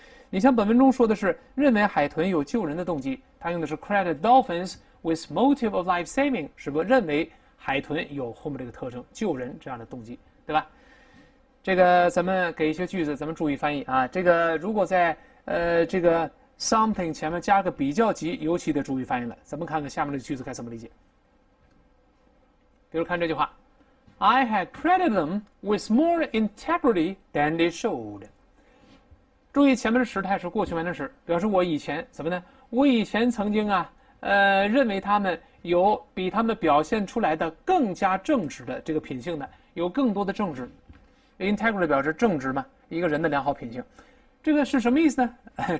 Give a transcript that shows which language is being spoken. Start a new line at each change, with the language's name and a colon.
Chinese: 你像本文中说的是认为海豚有救人的动机，它用的是
English: credit dolphins with motive of life saving，
Chinese: 是不是认为海豚有后面这个特征，救人这样的动机，对吧？这个咱们给一些句子，咱们注意翻译啊。这个如果在这个 something 前面加个比较级，尤其得注意翻译了。咱们看看下面的句子该怎么理解。比如看这句话：
English: I had credited them with more integrity than they showed。
Chinese: 注意前面的时态是过去完成时，表示我以前怎么呢？我以前曾经啊，认为他们有比他们表现出来的更加正直的这个品性的，有更多的正直。 Integrity 表示正直嘛，一个人的良好品性，这个是什么意思呢？